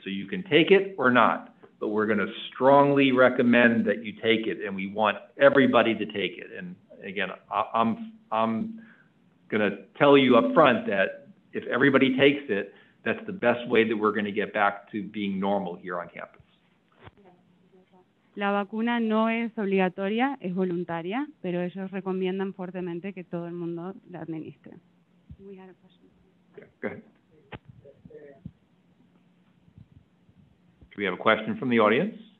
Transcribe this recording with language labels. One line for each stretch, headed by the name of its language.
English: So you can take it or not, but we're going to strongly recommend that you take it, and we want everybody to take it. And again, I'm going to tell you up front that if everybody takes it, that's the best way that we're going to get back to being normal here on campus.
Spanish: La vacuna no es obligatoria, es voluntaria, pero ellos recomiendan fuertemente que todo el mundo la administre.
English: We had a question. Okay, go ahead. Do we have a question from the audience?